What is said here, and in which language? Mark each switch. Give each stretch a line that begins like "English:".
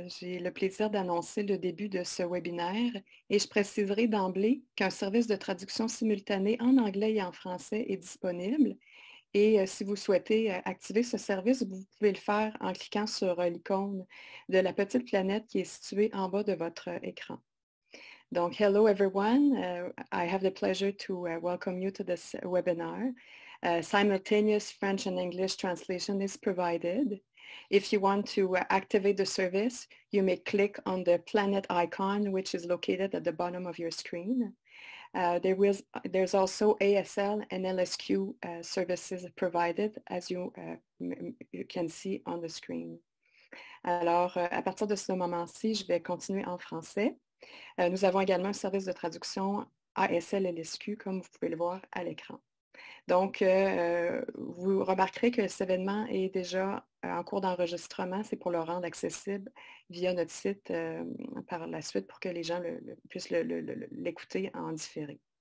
French: J'ai le plaisir d'annoncer le début de ce webinaire et je préciserai d'emblée qu'un service de traduction simultanée en anglais et en français est disponible. Et si vous souhaitez activer ce service, vous pouvez le faire en cliquant sur l'icône de la petite planète qui est située en bas de votre écran.
English: Donc, hello everyone. I have the pleasure to welcome you to this webinar. Simultaneous French and English translation is provided. If you want to activate the service, you may click on the planet icon, which is located at the bottom of your screen. There's also ASL and LSQ services provided, as you, you can see on the screen.
French: Alors, à partir de ce moment-ci, je vais continuer en français. Nous avons également un service de traduction ASL LSQ, comme vous pouvez le voir à l'écran. Donc, vous remarquerez que cet événement est déjà en cours d'enregistrement. C'est pour le rendre accessible via notre site par la suite pour que les gens puissent l'écouter en différé.